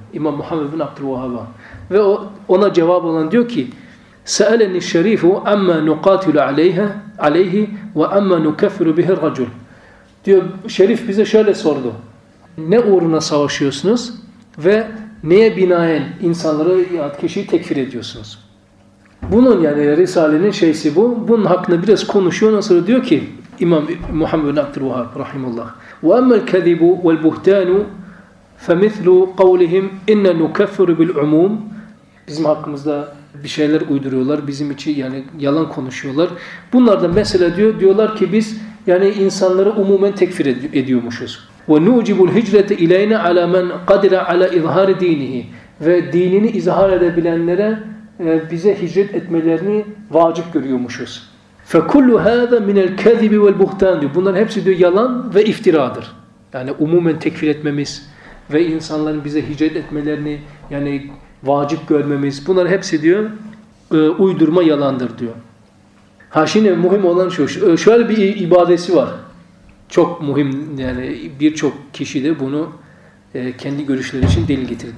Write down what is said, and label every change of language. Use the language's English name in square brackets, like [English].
[Turkish] İmam Muhammed bin Abdülvahhab'a. Ve o ona cevap olan diyor ki, [Arabic] سَأَلَنِ الشَّرِيفُ اَمَّا نُقَاتِلُ عَلَيْهِ وَاَمَّا نُكَفِرُ بِهِ الرَّجُلُ [Turkish] diyor, Şerif bize şöyle sordu. Ne uğruna savaşıyorsunuz ve neye binaen insanları, kişiyi tekfir ediyorsunuz? Bunun yani Risale'nin şeysi bu. Bunun hakkında biraz konuşuyor. Ondan sonra diyor ki İmam Muhammed bin Abdülvahhab rahimullah. [Arabic] وَأَمَّا الْكَذِبُ وَالْبُهْتَانُ فَمِثْلُ قَوْلِهِمْ اِنَّا نُكَفِّرُ بِالْعُمُومِ [Turkish] bizim hakkımızda bir şeyler uyduruyorlar. Bizim için yani yalan konuşuyorlar. Bunlar da mesela diyor, diyorlar ki biz yani insanları umumen tekfir ediyormuşuz. [Arabic] وَنُوْجِبُ الْهِجْرَةِ اِلَيْنَا عَلَى مَنْ قَدِرَ عَلَى اِظْهَارِ دِينِهِ [Turkish] ve dinini izhar edebilenlere bize hicret etmelerini vacip görüyormuşuz. [Arabic] فَكُلُّ هَذَا مِنَ الْكَذِبِ وَالْبُخْتَانِ [Turkish] diyor. Bunların hepsi diyor yalan ve iftiradır. Yani umumen tekfir etmemiz ve insanların bize hicret etmelerini yani vacip görmemiz. Bunların hepsi diyor uydurma yalandır diyor. Ha şimdi mühim olan şu. Şöyle bir ibadesi var. Çok mühim yani birçok kişi de bunu kendi görüşleri için delil getirir.